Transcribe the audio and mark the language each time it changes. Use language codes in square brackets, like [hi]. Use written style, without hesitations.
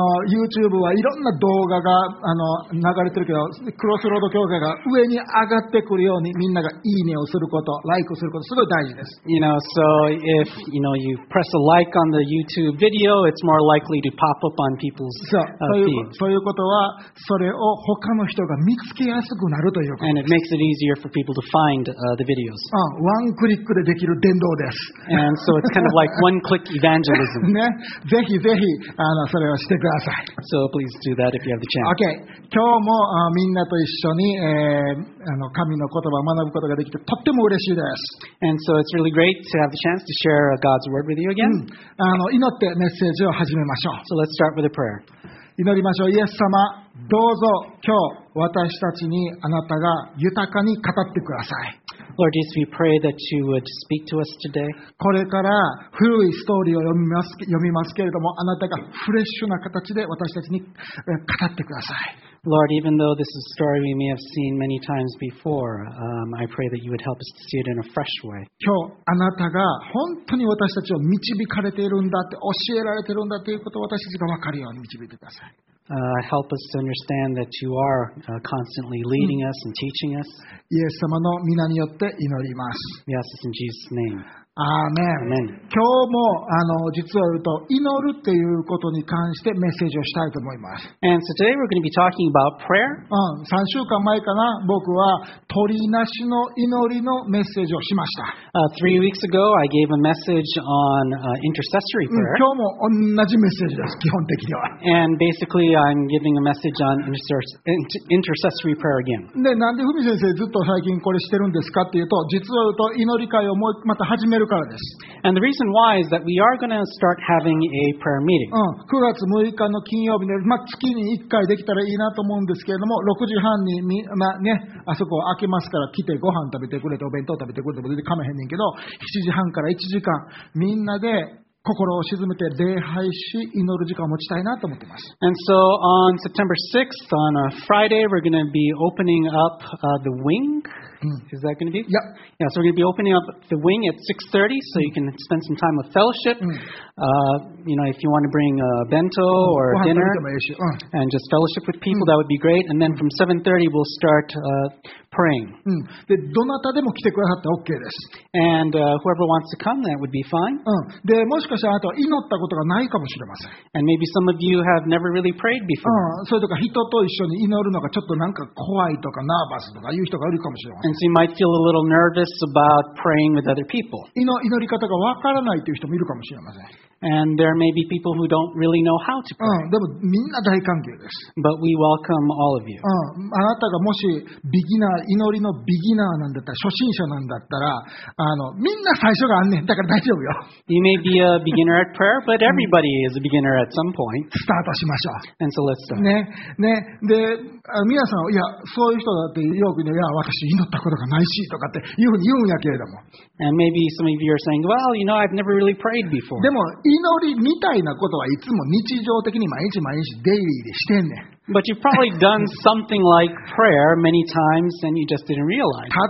[ja] YouTube はいろんな動画が流れてるけど、クロスロード教会が上に上がってくるようにみんながいいねをすること、like をすることすごい大事です。 [en] You know, so if you know you press a like on the YouTube video, it's more likely to pop up on people's feeds. [ja] そういうことはそれを他の人が見つけやすくなるということです。 [en] And it makes it easier for people to find the videos. [ja] ワンクリックでできる伝道です。 [en] And so it's kind of like one-click evangelism. [ja] ね。ぜひぜひそれをしてください。 [en] So please do that if you have the chance. Okay. [ja] 今日もみんなと一緒に神の言葉を学ぶことができてとっても嬉しいです。 [en] And so it's really great to have the chance to share God's word with you again. [ja] 祈ってメッセージを始めましょう。 [en] So let's start with a prayer. [ja] 祈りましょう。イエス様、どうぞ今日私たちにあなたが豊かに語ってください。 [en] Lord Jesus, we pray that you would speak to us today. [ja] これから古いストーリーを読みますけれども、あなたがフレッシュな形で私たちに語ってください。 [en] Lord, even though this is a story we may have seen many times before, I pray that you would help us to see it in a fresh way. [ja] 今日あなたが本当に私たちを導かれているんだって教えられているんだということを私たちが分かるように導いてください。 [en] Help us to understand that you are constantly leading us and teaching us. [ja] イエス様の御名によって祈ります。 [en] We ask this in Jesus' name. Amen. [ja] 今日も実を言うと祈るっていうことに関してメッセージをしたいと思います。 [en] And so today we're going to be talking about prayer. [ja] 3週間前かな、僕は鳥なしの祈りのメッセージをしました。 [en] 3 weeks ago, I gave a message on intercessory prayer. [ja] 今日も同じメッセージです、基本的には。 [en] And basically, I'm giving a message on intercessory prayer again. [ja] で、なんでふみ先生ずっと最近これしてるんですかっていうと、実を言うと祈り会をもうまた始めるからです。 [en] And the reason why is that we are going to start having a prayer meeting. [ja] 9月6日の金曜日で、まあ、月に1回できたらいいなと思うんですけれども、6時半に、まあね、あそこ開けますから来てご飯食べてくれて、お弁当食べてくれて、全然構えへんねんけど、7時半から1時間、みんなで心を静めて礼拝し祈る時間を持ちたいなと思ってます。 [en] And so on September 6th on a Friday we're going to be opening up the wing. Is that going to be? Yeah, so we're going to be opening up the wing at 6:30 so you can spend some time with fellowship. You know, if you want to bring a bento or a dinner and just fellowship with people, that would be great. And then from 7:30 we'll start praying. [ja] で、どなたでも来てくださって OK です。 [en] And whoever wants to come, that would be fine. [ja] で、もしかしたらあなたは祈ったことがないかもしれません。 [en] And maybe some of you have never really prayed before. [ja] それとか人と一緒に祈るのがちょっとなんか怖いとかナーバスとかいう人がいるかもしれません。 [en] And so you might feel a little nervous about praying with other people. [ja] 祈り方がわからないという人もいるかもしれません。 [en] And there may be people who don't really know how to pray. [ja] でもみんな大歓迎です。 [en] But we welcome all of you. [ja] あなたがもしビギナー祈りのビギナーなんだったら初心者なんだったらみんな最初があんねん。だから大丈夫よ。 [en] You may be a beginner at prayer, but everybody is a beginner at some point. [ja] スタートしましょう。 [en] And so let's start. [ja] ね。で、皆さんいやそういう人だってよくね、いや私祈ったことがないしとかっていうふうに言うんやけれども。 [en] And maybe some of you are saying, well, you know, I've never really prayed before. [ja] でも祈りみたいなことはいつも日常的に毎日毎日デイリーでしてんねん。 [en] But you've probably done something like prayer many times and you just didn't realize.